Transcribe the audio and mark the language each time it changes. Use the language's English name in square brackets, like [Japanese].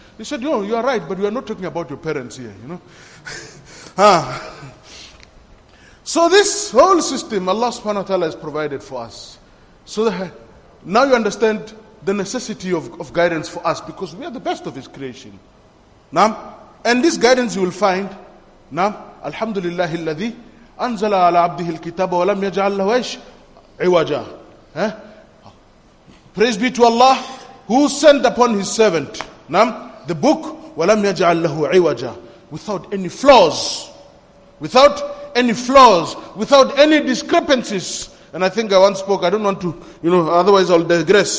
[English] They said, no, you are right, but we are not talking about your parents here, So this whole system Allah subhanahu wa ta'ala has provided for us. So now you understand the necessity of guidance for us, because we are the best of His creation. Now, and this guidance you will find. [Arabic] Now, Alhamdulillah, الذي أنزل على عبده الكتاب ولم يجعل له إيش عوجا. [English] Praise be to Allah who sent upon His servant. Now, the book [Arabic] ولم يجعل له عوجا, [English] without any flaws, without any discrepancies. And I think I once spoke, I don't want to, otherwise I'll digress.